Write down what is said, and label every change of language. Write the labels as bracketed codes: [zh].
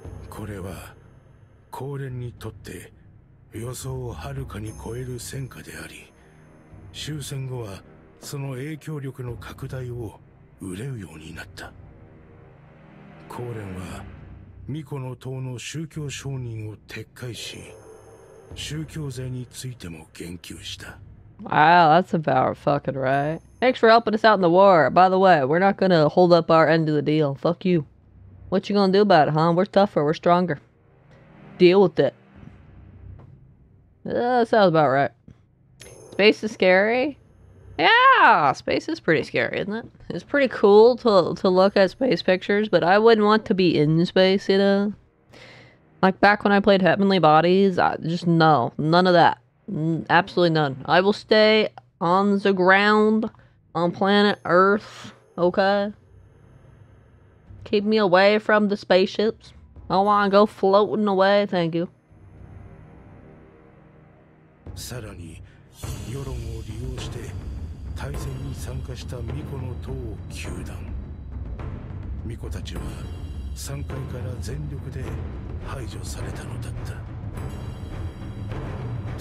[ja] これは高連にとって予想をはるかに超える戦果であり終戦後はその影響力の拡大を憂うようになった高連は巫女の塔の宗教承認を撤回し宗教税についても言及した [en] Wow, that's about fucking right. Thanks for helping us out in the war. By the way, we're not gonna hold up our end of the deal. Fuck you. What you gonna do about it, huh? We're tougher, we're stronger. Deal with it. Sounds about right. Space is scary? Yeah! Space is pretty scary, isn't it? It's pretty cool to look at space pictures, but I wouldn't want to be in space, you know? Like back when I played Heavenly Bodies, none of that. Absolutely none. I will stay on the ground, on planet Earth, okay? Keep me away from the spaceships. I don't want to go floating away, thank you. [ja] さらに、世論を利用して、大戦に参加した巫女の塔を糾弾。巫女たちは、3階から全力で排除されたのだった。